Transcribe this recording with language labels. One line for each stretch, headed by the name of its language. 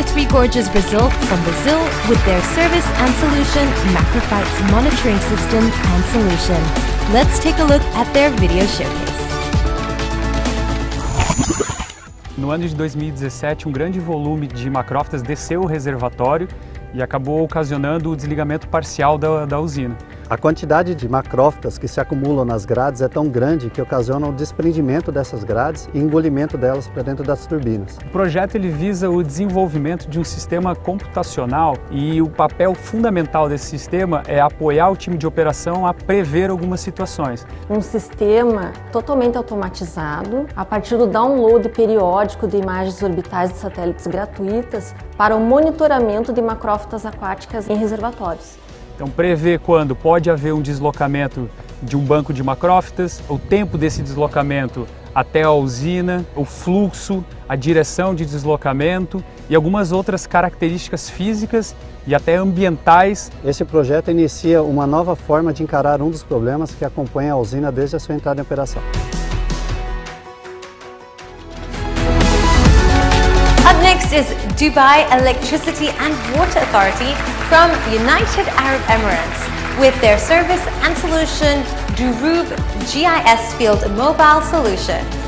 English: Gorgeous Brazil from Brazil with their service and solution, Macrofight's monitoring system and solution. Let's take a look at their video showcase.
Portuguese: No ano de 2017, grande volume de macrófitas desceu o reservatório e acabou ocasionando o desligamento parcial da usina. A quantidade de macrófitas que se acumulam nas grades é tão grande que ocasiona o desprendimento dessas grades e engolimento delas para dentro das turbinas. O projeto ele visa o desenvolvimento de um sistema computacional e o papel fundamental desse sistema é apoiar o time de operação a prever algumas situações. Um sistema totalmente automatizado, a partir do download periódico de imagens orbitais de satélites gratuitas para o monitoramento de macrófitas aquáticas em reservatórios. Então, prever quando pode haver um deslocamento de um banco de macrófitas, o tempo desse deslocamento até a usina, o fluxo, a direção de deslocamento e algumas outras características físicas e até ambientais. Esse projeto inicia uma nova forma de encarar um dos problemas que acompanha a usina desde a sua entrada em operação.
English: Next is Dubai Electricity and Water Authority from United Arab Emirates with their service and solution, Durub GIS Field Mobile Solution.